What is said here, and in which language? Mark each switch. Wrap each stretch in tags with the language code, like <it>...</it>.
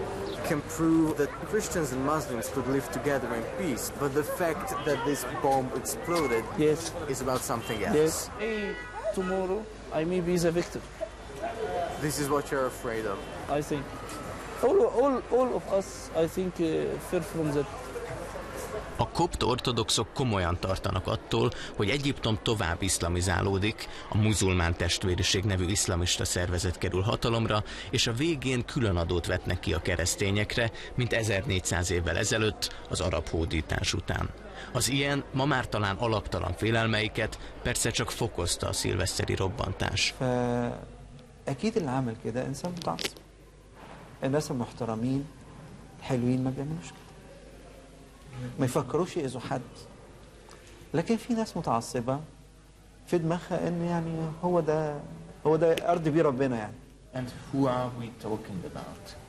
<en>It can prove that Christians and Muslims could live together in peace. But the fact that this bomb exploded yes. is about something else. Yes. Tomorrow, I may be the victim. This is what you're afraid of. I think all of us, I think, fear from that.</en> <hu>A kopt ortodoxok komolyan tartanak attól, hogy Egyiptom tovább iszlamizálódik, a muzulmán testvériség nevű iszlamista szervezet kerül hatalomra, és a végén külön adót vetnek ki a keresztényekre, mint 1400 évvel ezelőtt, az arab hódítás után. Az ilyen, ma már talán alaptalan félelmeiket persze csak fokozta a szilveszteri robbantás.</hu> <ar>أكيد اللي عامل كده إنسان متعصب. الناس المحترمين حلوين ما بيعملوش كده. ما يفكروش يأذوا حد. لكن في ناس متعصبة في دماغها إن يعني هو ده أرض بيه ربنا يعني.</ar> <en>And who are we talking about?</en>